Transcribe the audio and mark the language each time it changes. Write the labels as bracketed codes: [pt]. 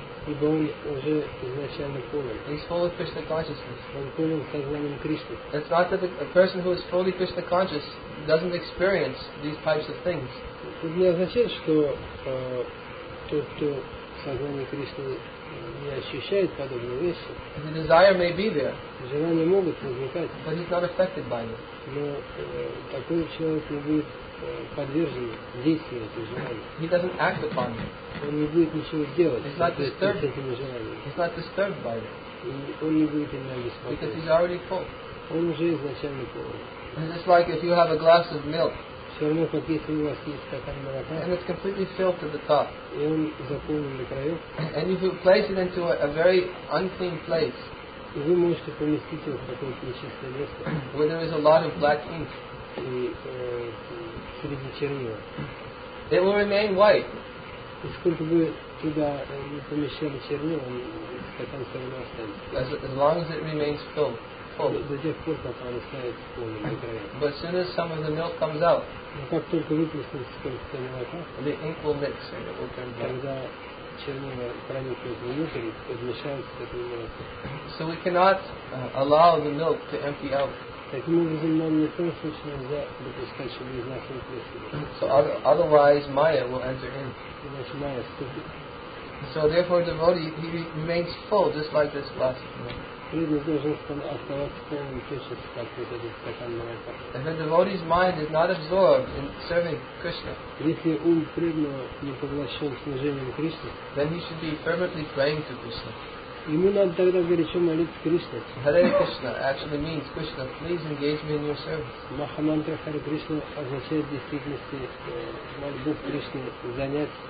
[ru] Ибо он уже изначально полон. [en] He's full of Krishna consciousness. [ru] Он полон сознанием Кришны. [en] It's not that a person who is fully Krishna conscious doesn't experience these types of things. [ru] Это не означает, что тот, кто сознание Кришны не ощущает подобные вещи. [en] The desire may be there. [ru] Желания могут возникать. [en] But he's not affected by them. [ru] Но такой человек не будет подвержен действию этих желаний. [en] He doesn't act upon them. [ru] Он не будет ничего делать. [en] He's not disturbed. He's not disturbed by it. [ru] Он не будет им беспокоиться. [en] Because he's already full. [ru] Он уже изначально полон. [en] And it's like if you have a glass of milk. [ru] Все равно, как если у вас есть стакан молока. [en] And it's completely filled to the top. [ru] И он заполнен до краев. [en] And if you place it into a very unclean place. [ru] И вы можете поместить его в какое-то нечистое место. [en] Where there is a lot of black ink. [ru] И среди чернила. [en] It will remain white. [ru] И сколько бы туда не помещали чернила, он стакан все равно останется. [en] As long as it remains full. [ru] До тех пор, пока он останется полным. [en] But as soon as some of the milk comes out, [ru] как только выплеснется сколько-то молока, [en] the ink will mix and it will turn black. [ru] Когда чернила проникнут внутрь, и подмешаются с этим молоком. [en] So we cannot allow the milk to empty out. [ru] Таким образом, нам ни в коем случае нельзя допускать, чтобы из нас выплеснуло. [en] So otherwise, Maya will enter in. So therefore, the devotee he remains full just like this glass. If a devotee's mind is not absorbed in serving Krishna, then he should be fervently praying to Krishna. [ru] Ему надо тогда горячо молиться Кришне. [en] Hare Krishna actually means Krishna, please engage me in your service. [ru] Махамантра Hare Krishna означает в действительности мольбу Кришне занять.